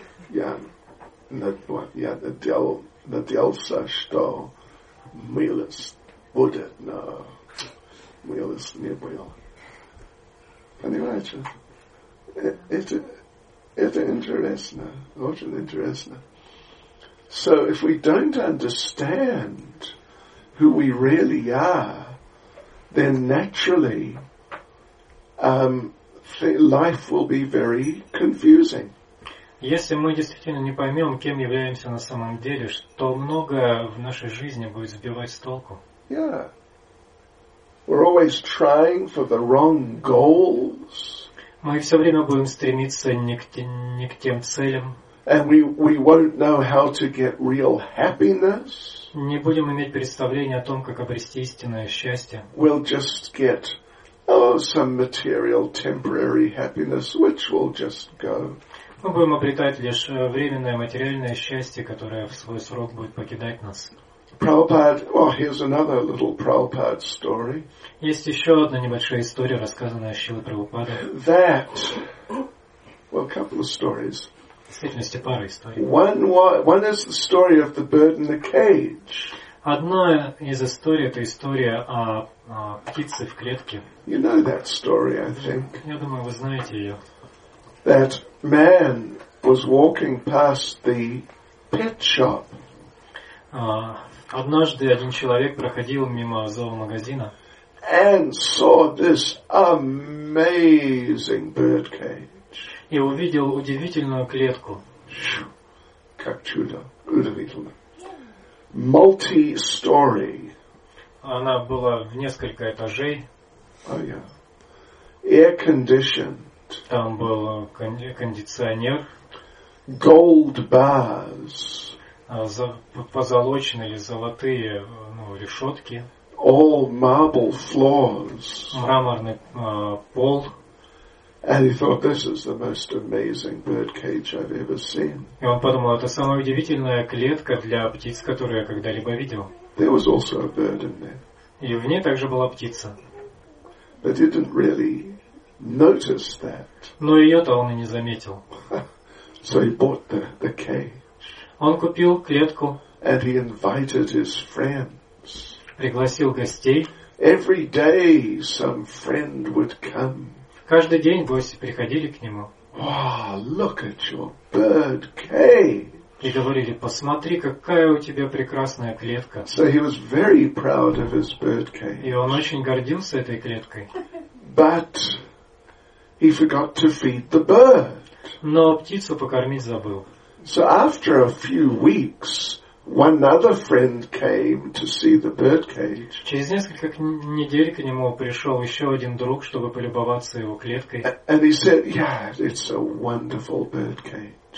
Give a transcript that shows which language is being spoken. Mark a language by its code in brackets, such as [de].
[ru] Я надеялся, что милость будет, но милость не было. Понимаете? Это интересно, очень интересно. [en] So if we don't understand who we really are, then naturally life will be very confusing. [ru] Если мы действительно не поймем, кем являемся на самом деле, то многое в нашей жизни будет сбивать с толку. [en] Yeah. We're always trying for the wrong goals. [ru] Мы все время будем стремиться не к тем целям. [en] And we won't know how to get real happiness. [ru] Не будем иметь представления о том, как обрести истинное счастье. [en] We'll just get some material temporary happiness, which will just go. [ru] Мы будем обретать лишь временное материальное счастье, которое в свой срок будет покидать нас. [en] Here's another little Prabhupada story. [ru] Есть еще одна небольшая история, рассказанная Шрилой Прабхупадой. [en] That, well, a couple of stories. [ru] В действительности, пара историй. [en] One is the story of the bird in the cage. [ru] Одна из историй – это история о птице в клетке. [en] You know that story, I think. [ru] Я думаю, вы знаете ее. [en] That man was walking past the pet shop. [ru] Однажды один человек проходил мимо зоомагазина. [en] And saw this amazing birdcage. [ru] И увидел удивительную клетку. Как чудо. Удивительно. [en] Multi-story. [ru] Она была в несколько этажей. [en] Oh, yeah. air-conditioned. [ru] Там был кондиционер. [en] Gold bars. [ru] Позолоченные или золотые, ну, решетки. [en] All marble floors. [ru] Мраморный пол. [en] And he thought, this is the most amazing birdcage I've ever seen. [ru] И он подумал, это самая удивительная клетка для птиц, которую я когда-либо видел. [en] There was also a bird in there. [ru] И в ней также была птица. [en] But he didn't really notice that. [ru] Но ее-то он и не заметил. [en] So he bought the cage. [ru] Он купил клетку. [en] And he invited his friends. [ru] Пригласил гостей. [en] Every day some friend would come. [ru] Каждый день гости приходили к нему. [en] Oh, look at your bird cage. [ru] И говорили: посмотри, какая у тебя прекрасная клетка. [en] So he was very proud of his bird cage. [ru] И он очень гордился этой клеткой. [en] But he forgot to feed the bird. [ru] Но птицу покормить забыл. [en] So after a few weeks, one other friend came to see the birdcage. [ru] Через несколько недель к нему пришел еще один друг, чтобы полюбоваться его клеткой. [en] And he said, "Yeah, it's a wonderful birdcage."